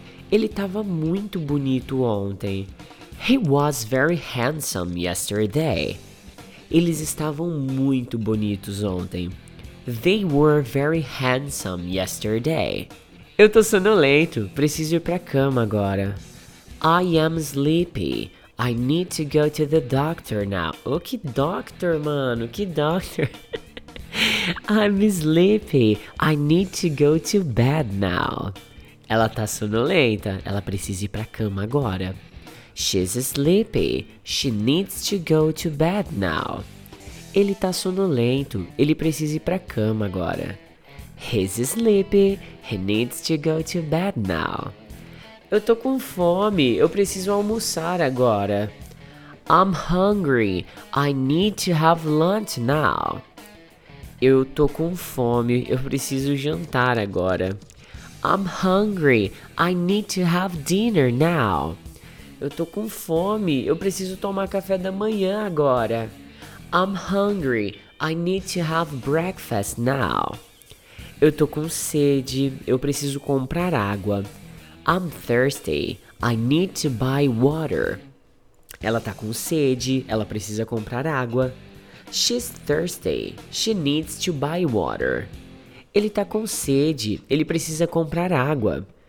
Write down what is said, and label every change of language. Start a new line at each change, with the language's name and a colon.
Portuguese: Ele estava muito bonito ontem.
English: He was very handsome yesterday.
Portuguese: Eles estavam muito bonitos ontem.
English: They were very handsome yesterday.
Portuguese: Eu tô sonolento, preciso ir pra cama agora.
English: I am sleepy. I need to go to the doctor now.
Portuguese: Oh, que doctor, mano, que doctor.
English: I'm sleepy. I need to go to bed now.
Portuguese: Ela tá sonolenta, ela precisa ir pra cama agora.
English: She's sleepy. She needs to go to bed now.
Portuguese: Ele tá sonolento. Ele precisa ir pra cama agora.
English: He's sleepy. He needs to go to bed now.
Portuguese: Eu tô com fome. Eu preciso almoçar agora.
English: I'm hungry. I need to have lunch now.
Portuguese: Eu tô com fome. Eu preciso jantar agora.
English: I'm hungry. I need to have dinner now.
Portuguese: Eu tô com fome, eu preciso tomar café da manhã agora.
English: I'm hungry, I need to have breakfast now.
Portuguese: Eu tô com sede, eu preciso comprar água.
English: I'm thirsty, I need to buy water.
Portuguese: Ela tá com sede, ela precisa comprar água.
English: She's thirsty, she needs to buy water.
Portuguese: Ele tá com sede, ele precisa comprar água.